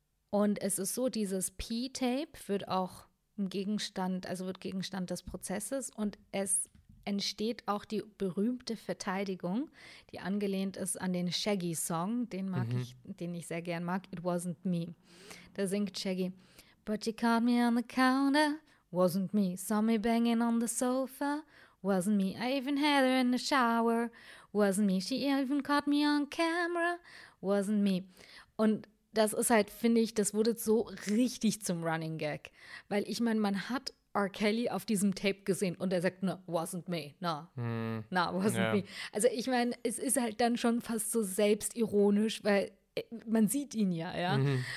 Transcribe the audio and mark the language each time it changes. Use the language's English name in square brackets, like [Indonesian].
[German] Und es ist so, dieses P-Tape wird auch im Gegenstand, also wird Gegenstand des Prozesses und es entsteht auch die berühmte Verteidigung, die angelehnt ist an den Shaggy-Song, den mag ich, den ich sehr gern mag, It Wasn't Me. Da singt Shaggy, [English] but you caught me on the counter, wasn't me, saw me banging on the sofa, wasn't me, I even had her in the shower, wasn't me, she even caught me on camera, wasn't me. [German] Und das ist halt, finde ich, das wurde so richtig zum Running Gag. Weil ich meine, man hat R. Kelly auf diesem Tape gesehen und er sagt, [English] no, wasn't me, no, no, wasn't me. [German] Also ich meine, es ist halt dann schon fast so selbstironisch, weil man sieht ihn ja, ja. Mhm.